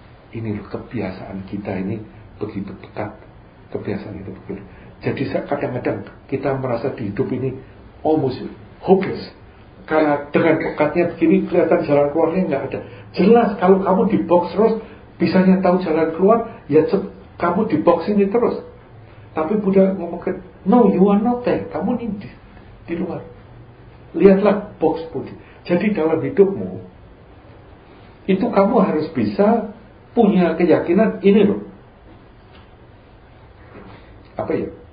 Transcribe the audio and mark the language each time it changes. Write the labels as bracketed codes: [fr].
[id] Ini kebiasaan kita ini begitu pekat. Kebiasaan itu begitu. Jadi kadang-kadang kita merasa di hidup ini [en] almost hopeless. [id] Karena dengan pekatnya begini kelihatan jalan keluarnya nggak ada. Jelas kalau kamu di box terus, bisanya tahu jalan keluar, ya kamu di box ini terus. Tapi Buddha ngomong ke, [en] no, you are not there. [id] Kamu ini di luar. Lihatlah box putih. Jadi dalam hidupmu, itu kamu harus bisa punya keyakinan ini loh. Apa ya?